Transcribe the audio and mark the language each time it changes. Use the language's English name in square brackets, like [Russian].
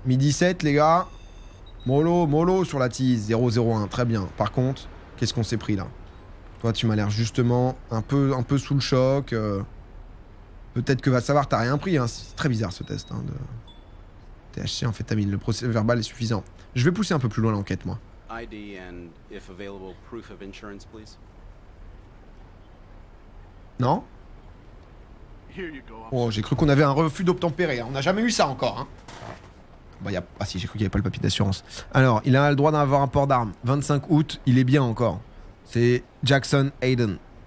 [French] Midi 7, les gars. Mollo sur la tease. 001, très bien. Par contre, qu'est-ce qu'on s'est pris, là? Toi, tu m'as l'air justement un peu sous le choc. Peut-être que va savoir, t'as rien pris. Hein. C'est très bizarre, ce test. Hein, de THC, en fait, amphétamine. Le procès verbal est suffisant. Je vais pousser un peu plus loin l'enquête, moi. [English] ID and if available, proof of insurance, please. [French] Non? Oh, j'ai cru qu'on avait un refus d'obtempérer. On n'a jamais eu ça encore. Hein. Bah, ah si, j'ai cru qu'il n'y avait pas le papier d'assurance. Alors, il a le droit d'avoir un port d'armes. 25 août, il est bien encore. C'est Jackson Hayden.